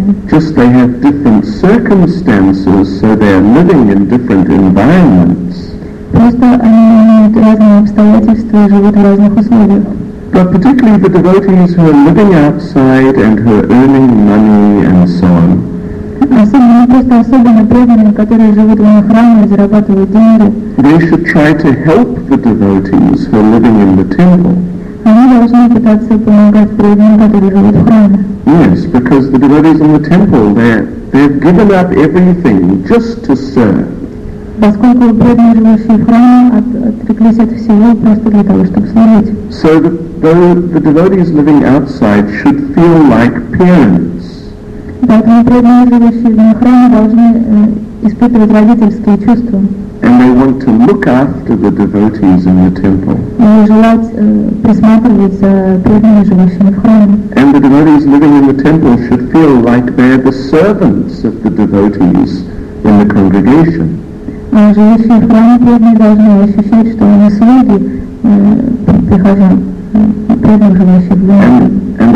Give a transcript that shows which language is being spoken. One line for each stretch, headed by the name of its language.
English: Just they have different circumstances, so they're living in different environments. But particularly the devotees who are living outside and who are earning money and so on.
Russian: Особенно просто особенно преданные, которые живут в храме и зарабатывают деньги.
English: They should try to help the devotees who are living in the temple.
Russian: Они должны пытаться помогать преданным, которые живут в храме.
English: Yes, because the devotees in the temple, they've given up everything just to serve.
Russian: Поскольку преданные, живущие в храме, отреклись от всего просто для того, чтобы служить.
English: So the devotees living outside should feel like parents.
Russian: Поэтому преданные, живущие в храме, должны испытывать родительские чувства.
English: And may want to look after the devotees in the temple. And the devotees living in the temple should feel like they are the servants of the devotees in the congregation. And